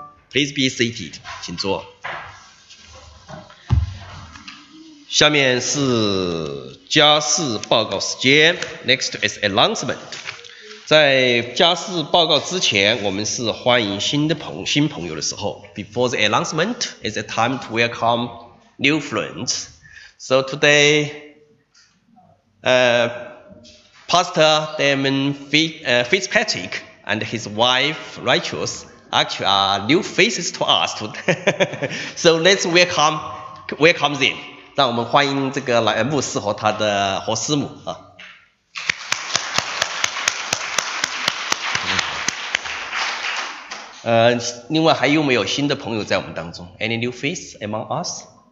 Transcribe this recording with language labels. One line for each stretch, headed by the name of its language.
English: Please be seated，
Chinese: 请坐。下面是家事报告时间，
English: Next is announcement。
Chinese: 在家事报告之前，我们是欢迎新朋友的时候。
English: Before the announcement is a time to welcome new friends. So todayPastor Damon Fitzpatrick and his wife Rachel actually are new faces to us today. So let's welcome them.
Chinese: 让我们欢迎这个来牧师和他的和师母啊。另外还有没有新的朋友在我们当中 ？
English: Any new face among us?